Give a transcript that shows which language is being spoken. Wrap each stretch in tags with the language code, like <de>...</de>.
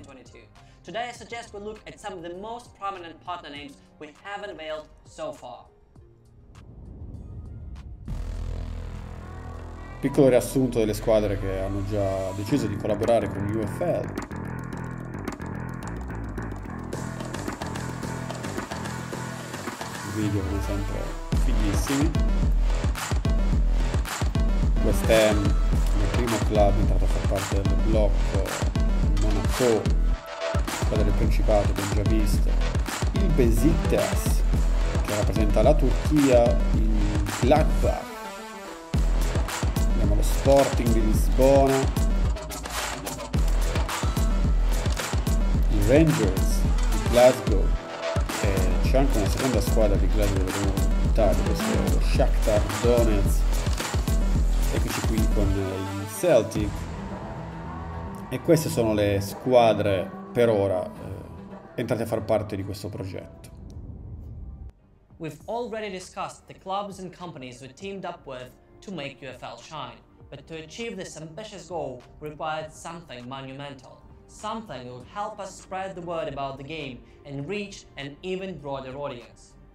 <en>2022. Today I suggest we look at some of the most prominent partner names we haven't unveiled so far.</en> <it>Piccolo riassunto delle squadre che hanno già deciso di collaborare con UFL. Video come sempre fighissimi. West Ham, il primo club entrato a far parte del blocco. Monaco, squadra del Principato, abbiamo già visto. Il Beşiktaş, che rappresenta la Turchia, il Gladbach. Abbiamo lo Sporting di Lisbona. I Rangers di Glasgow. E c'è anche una seconda squadra di Gladbach che vedremo più tardi, questo è lo Shakhtar Donetsk. Eccoci qui con i Celtic. E queste sono le squadre per ora entrate a far parte di questo progetto.</it> <en>We've already discussed the clubs and companies we teamed up with to make UFL shine. But to achieve this ambitious goal required something monumental, something that would help us spread the word about the game and reach an even broader audience.</en>